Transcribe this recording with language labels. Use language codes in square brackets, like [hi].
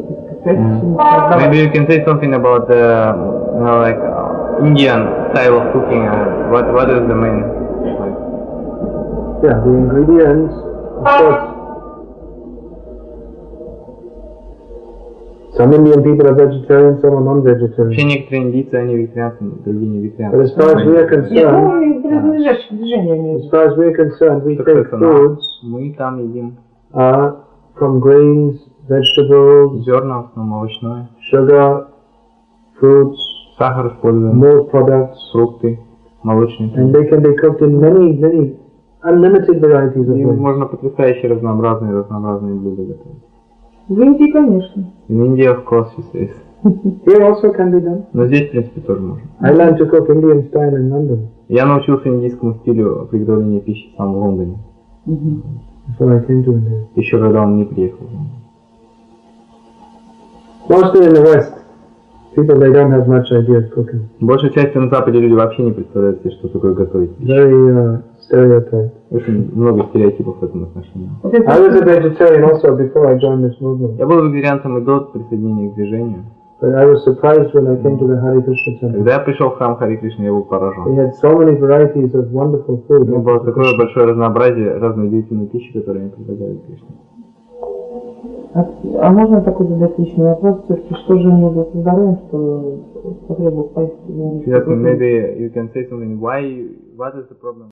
[ru] так сказать, [en] Maybe you can say something about the, you know, like, Indian style of cooking, what is the main, like? Yeah, the ingredients, of course. Some Indian people are vegetarian, some are non-vegetarian. [ru] Вообще некоторые индийцы, они вегетарианцы, другие не вегетарианцы. [en] But as far as we are concerned, yeah. As far as we are concerned, we take foods from grains, vegetables, [ru] зерна, основном овощное, [en] sugar, fruits, [ru] сахар используем, [en] milk products, [ru] фрукты, молочные. [en] And they can be cooked in many, many unlimited varieties of food. [ru] Можно потрясающе разнообразные блюда готовить. В Индии, конечно. [en] In India, of course, it is. Here also can be done. [ru] Но здесь, в принципе, тоже можно. [en] I learned to cook Indian style in London. [ru] Я научился индийскому стилю приготовления пищи сам в Лондоне. [en] Before I came to India. [ru] Еще когда он не приехал. [en] Mostly in the West, people they don't have much idea of cooking. [ru] Большая часть на Западе люди вообще не представляют себе, что такое готовить пищу. [en] Very stereotype. [ru] Очень много стереотипов в этом отношении. [en] I was a vegetarian also before I joined this movement. [ru] Я был вегетарианцем и до присоединения к движению. [en] But I was surprised when I came to the Hare Krishna temple. [ru] Когда я пришел в храм Харе Кришны, я был поражен. [en] They had so many varieties of wonderful food. [ru] У них было такое большое разнообразие разной удивительной пищи, которую они предлагали Кришне. А можно такой задать личный вопрос, все-таки что же мне за здоровьем, что потребовал поесть? [en] Yes, maybe you can say something. Why? What is the problem?